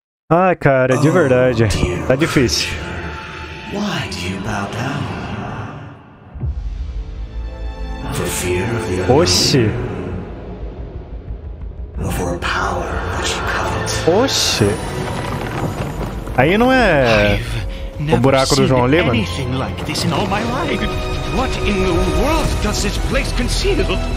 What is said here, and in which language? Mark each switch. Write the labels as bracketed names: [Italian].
[Portuguese] Ah, cara, de verdade. Tá difícil. [English] Why do you bow down? For fear of the [Portuguese] Oxi. [English] For power that you covet. [Portuguese] Oxi. Aí não é o buraco do João Li, mano? [English] Anything like this in all my life. What in the world does this place conceal?